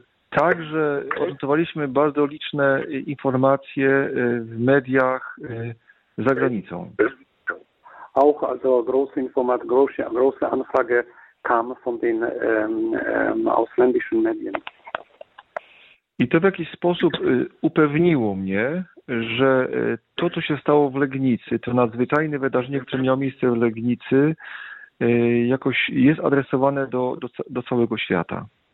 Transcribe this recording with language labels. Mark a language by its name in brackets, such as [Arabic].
[Polish] Także odnotowaliśmy bardzo liczne informacje w mediach za granicą. [German] Auch also große Informat, große Anfrage kam von den ausländischen Medien. [Polish] I to w jakiś sposób upewniło mnie, że to, co się stało w Legnicy, to nadzwyczajne wydarzenie, które miało miejsce w Legnicy, jakoś jest adresowane do całego świata.